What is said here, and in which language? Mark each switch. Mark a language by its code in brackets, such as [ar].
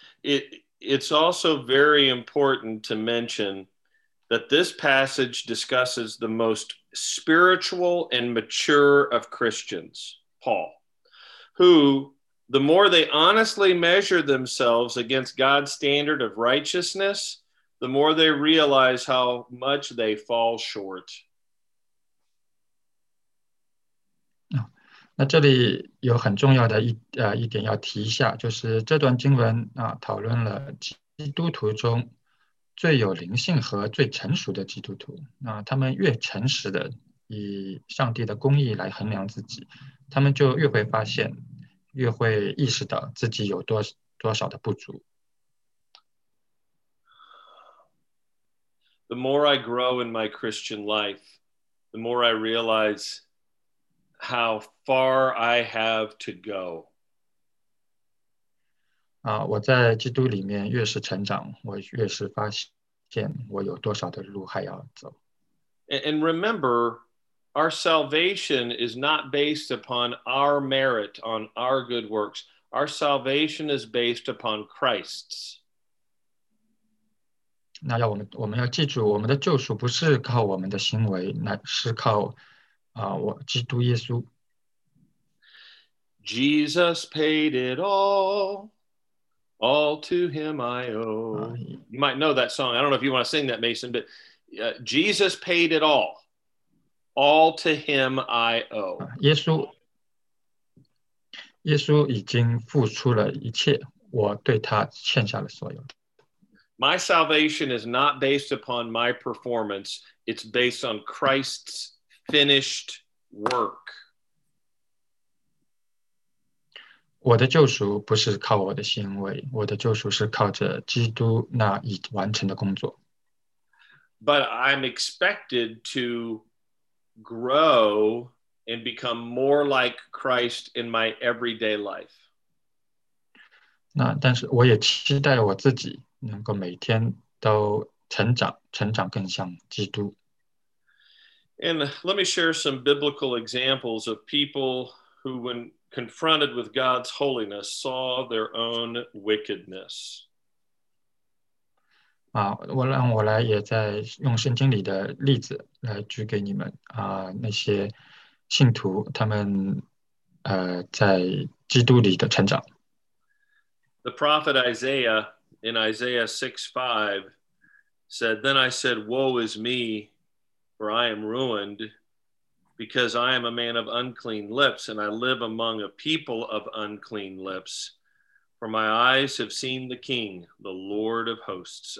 [en] It's also very important to mention that this passage discusses the most spiritual and mature of Christians, Paul, who, the more they honestly measure themselves against God's standard of righteousness, the more they realize how much they fall short. [zh] 那这里有很重要的 一点要提一下，就是这段经文啊，讨论了基督徒中最有灵性和最成熟的基督徒。那他们越诚实的以上帝的公义来衡量自己，他们就越会发现，越会意识到自己有多少的不足。 [en] The more I grow in my Christian life, the more I realize how far I have to go. [zh] 我在基督里面越是成长，我越是发现我有多少的路还要走。 [en] And remember, our salvation is not based upon our merit, on our good works. Our salvation is based upon Christ's. [zh] 那要我们要记住，我们的救赎不是靠我们的行为，乃是靠基督耶稣。 [en] Jesus paid it all to him I owe. You might know that song. I don't know if you want to sing that, Mason, but Jesus paid it all to him I owe. [zh] 耶稣已经付出了一切，我对他欠下了所有。 [en] My salvation is not based upon my performance. It's based on Christ's finished work. [zh] 我的救赎不是靠我的行为，我的救赎是靠着基督那已完成的工作。 [en] But I'm expected to grow and become more like Christ in my everyday life. [zh] 那但是我也期待我自己能够每天都成长更像基督。 [en] And let me share some biblical examples of people who, when confronted with God's holiness, saw their own wickedness. [zh] 我让我来也在用圣经里的例子来举给你们那些信徒他们在基督里的成长。 [en] The prophet Isaiah in Isaiah 6:5 said, Then I said, Woe is me, for I am ruined, because I am a man of unclean lips, and I live among a people of unclean lips. For my eyes have seen the King, the Lord of hosts.